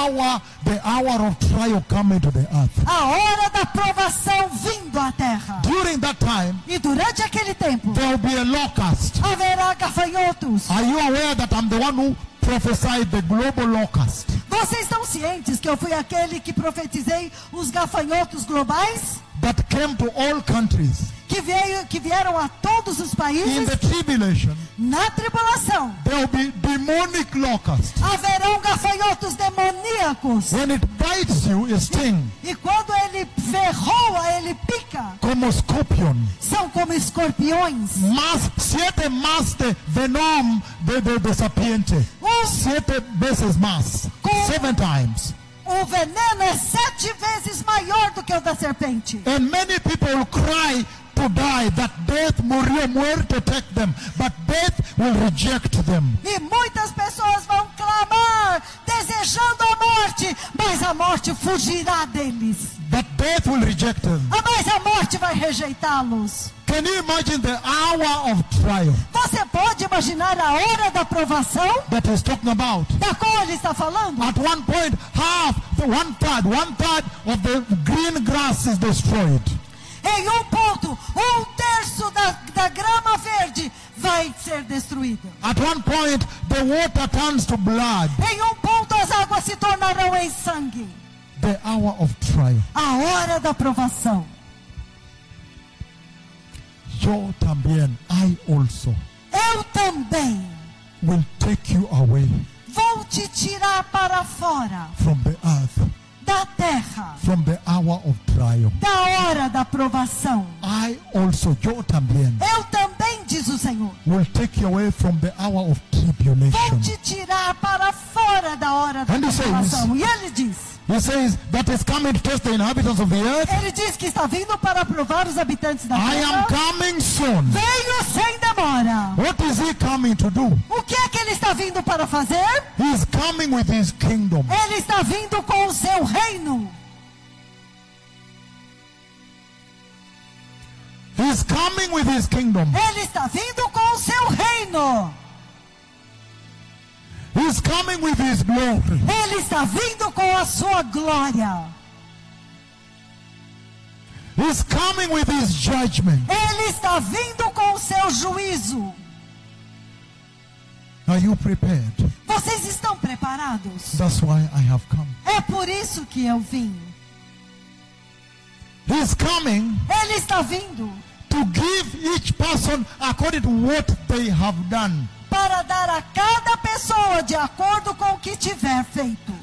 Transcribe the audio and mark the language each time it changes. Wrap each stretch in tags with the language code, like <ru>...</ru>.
<en>The hour of trial coming to the earth.</en> <pt>A hora da provação vindo à terra.</pt> <en>During that time,</en> <pt>e durante aquele tempo,</pt> <en>there will be a locust.</en> <pt>Haverá gafanhotos.</pt> <en>Are you aware that I'm the one who prophesied the global locust?</en> <pt>Vocês estão cientes que eu fui aquele que profetizei os gafanhotos globais?</pt> <en>That came to all countries.</en> <pt>Que vieram a todos os países.</pt> <en>In the tribulation,</en> <pt>na tribulação,</pt> <en>there will be demonic locusts.</en> <pt>Haverão gafanhotos demoníacos.</pt> <en>When it bites you, it stings.</en> <pt>E quando ele ferroa, ele pica.</pt> <es>Como scorpion.</es> <pt>São como escorpiões. Mas sete maste venom de serpiente. Sete vezes mais.</pt> <en>Seven times.</en> <pt>O veneno é 7 vezes maior do que o da serpente.</pt> <en>And many people cry to die, that death morreu, muerte take them, but death will reject them.</en> <pt>E muitas pessoas vão clamar desejando a morte, mas a morte fugirá deles.</pt> <en>But death will reject them.</en> <pt>Mas a morte vai rejeitá-los.</pt> <en>Can you imagine the hour of trial?</en> <pt>Você pode imaginar a hora da provação?</pt> <en>That he's talking about.</en> <pt>Da qual ele está falando?</pt> <en>At one point, half, one third of the green grass is destroyed.</en> <pt>Em um ponto, um terço da grama verde vai ser destruída.</pt> <en>At one point, the water turns to blood.</en> <pt>Em um ponto, as águas se tornarão em sangue.</pt> <en>The hour of trial.</en> <pt>A hora da provação.</pt> <es>Yo también,</es> <en>I also.</en> <pt>Eu também.</pt> <en>Will take you away.</en> <pt>Vou te tirar para fora.</pt> <en>From the earth.</en> <pt>Da terra.</pt> <en>From the hour of trial.</en> <pt>Da hora da provação.</pt> <en>I also,</en> <es>yo también.</es> <pt>Eu também, diz o Senhor.</pt> <en>Will take you away from the hour of tribulation.</en> <pt>Vou te tirar para fora da hora da provação. E ele diz.</pt> <en>He says that is coming to test the inhabitants of the earth.</en> <pt>Ele diz que está vindo para provar os habitantes da terra.</pt> <en>I am coming soon.</en> <pt>Venho sem demora.</pt> <en>What is he coming to do?</en> <pt>O que é que ele está vindo para fazer?</pt> <en>He is coming with his kingdom.</en> <pt>Ele está vindo com o seu reino.</pt> <en>He is coming with his kingdom.</en> <pt>Ele está vindo com o seu reino.</pt> <en>He is coming with his glory.</en> <pt>Ele está vindo com a sua glória.</pt> <en>He is coming with his judgment.</en> <pt>Ele está vindo com o seu juízo.</pt> <en>Are you prepared?</en> <pt>Vocês estão preparados?</pt> <en>That's why I have come.</en> <pt>É por isso que eu vim.</pt> <en>He is coming.</en> <pt>Ele está vindo.</pt> <en>To give each person according to what they have done.</en> <pt>Para dar a cada pessoa de acordo com o que tiver feito.</pt>